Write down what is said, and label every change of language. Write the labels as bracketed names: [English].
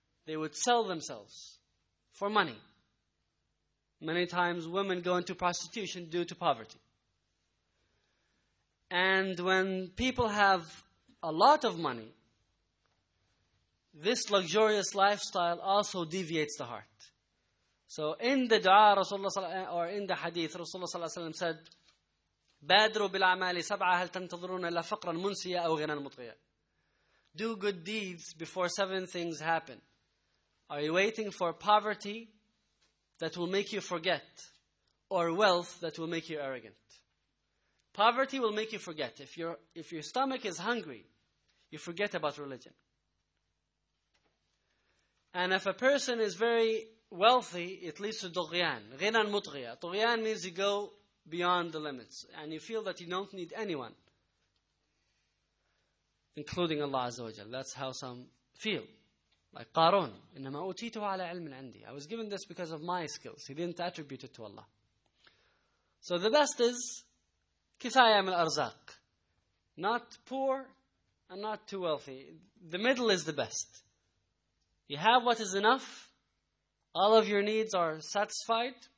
[English] They would sell themselves for money. Many times women go into prostitution due to poverty. And when people have a lot of money, this luxurious lifestyle also deviates the heart. So in the dua, in the hadith, Rasulullah said, [Arabic] بادروا بالأعمال سبعة هل تنتظرون إلا فقرا منسيا أو غنى مطغيا. [English] do good deeds before seven things happen. Are you waiting for poverty that will make you forget, or wealth that will make you arrogant? Poverty will make you forget. If your stomach is hungry, you forget about religion. And if a person is very wealthy, it leads to dughyan, ghinan mutghiya. Dughyan means you go beyond the limits, and you feel that you don't need anyone, including Allah Azza wa Jalla. That's how some feel. [Arabic] Like Qarun, إِنَّمَا أُوتِيتُهُ عَلَى عِلْمٍ عَنْدِي. [English] I was given this because of my skills. He didn't attribute it to Allah. So the best is [Arabic] كِفَايَ مِنْ الْأَرْزَاقِ. [English] Not poor and not too wealthy. The middle is the best. You have what is enough. All of your needs are satisfied.